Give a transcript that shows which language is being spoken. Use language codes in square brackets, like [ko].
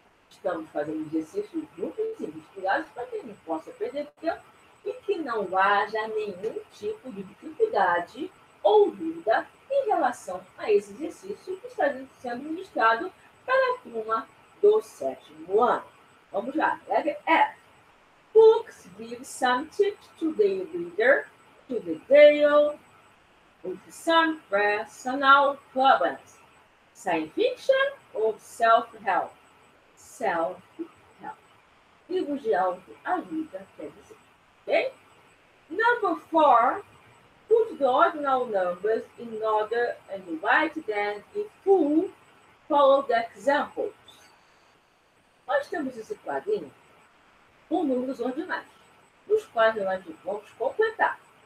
[pt] Estamos fazendo exercícios juntos e misturados para que a gente possa perder tempo e que não haja nenhum tipo de dificuldade ou dúvida em relação a esse exercício que está sendo ministrado para a turma do sétimo ano. Vamos lá, letra F. [en] Books give some tips to the reader to detail with some personal problems. Science fiction or self-help? Self-help. [pt] Livros de autoajuda, quer dizer. [en] Okay? Number 4. Put the ordinal numbers in order and write them in full. Follow the examples. [pt] Nós temos esse quadrinho com números ordinais, nos quais nós vamos completar.